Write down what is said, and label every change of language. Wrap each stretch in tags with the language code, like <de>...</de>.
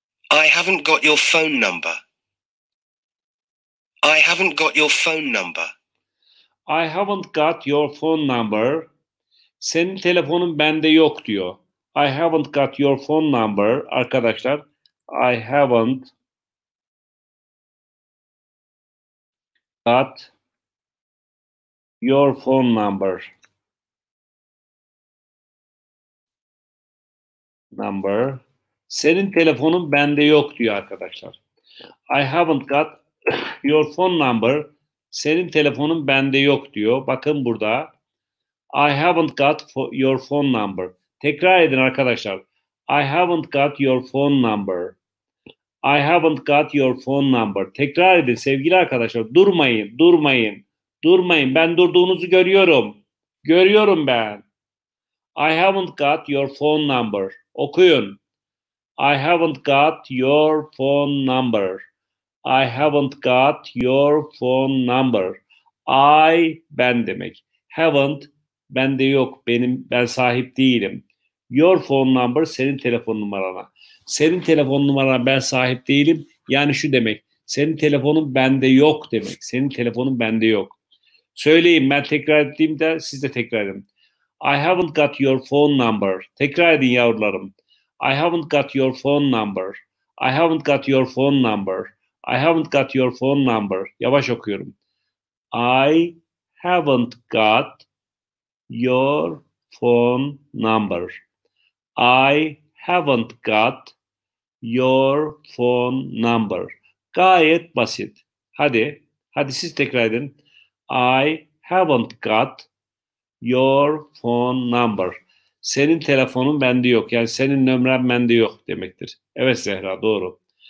<en>I haven't got your phone number. I haven't got your phone number. I haven't got your phone number.</en> <tr>Senin telefonun bende yok diyor.</tr> <en>I haven't got your phone number</en> <tr>arkadaşlar.</tr> <en>I haven't got your phone number. Number.</en> <tr>Senin telefonun bende yok diyor arkadaşlar.</tr> <en>I haven't got your phone number.</en> <tr>Senin telefonun bende yok diyor. Bakın burada.</tr> <en>I haven't got your phone number.</en> <tr>Tekrar edin arkadaşlar.</tr> <en>I haven't got your phone number. I haven't got your phone number.</en> <tr>Tekrar edin sevgili arkadaşlar. Durmayın, durmayın. Durmayın. Ben durduğunuzu görüyorum. Görüyorum ben.</tr> <en>I haven't got your phone number.</en> <tr>Okuyun.</tr> <en>I haven't got your phone number. I haven't got your phone number.</en> <tr>I ben demek. Haven't bende yok. Benim ben sahip değilim.</tr> <en>Your phone number</en> <tr>senin telefon numarana. Senin telefon numarana ben sahip değilim. Yani şu demek. Senin telefonun bende yok demek. Senin telefonun bende yok. Söyleyeyim ben tekrar ettiğimde siz de tekrar edin.</tr> <en>I haven't got your phone number.</en> <tr>Tekrar edin yavrularım.</tr> <en>I haven't got your phone number. I haven't got your phone number. I haven't got your phone number.</en> <tr>Yavaş okuyorum.</tr> <en>I haven't got your phone number. I haven't got your phone number.</en> <tr>Gayet basit. Hadi, hadi siz tekrar edin.</tr> <en>I haven't got your phone number.</en> <tr>Senin telefonun bende yok. Yani senin numaran bende yok demektir. Evet Zehra, doğru.</tr>